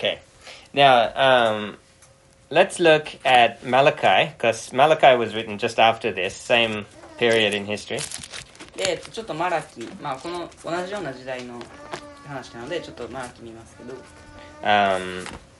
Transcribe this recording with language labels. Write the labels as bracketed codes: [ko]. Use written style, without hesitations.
[en] Okay. Now, let's look at Malachi, because Malachi was written just after this, same period in history. [ja] で、ちょっとマラキ、まあこの同じような時代の話なので、ちょっとマラキ見ますけど。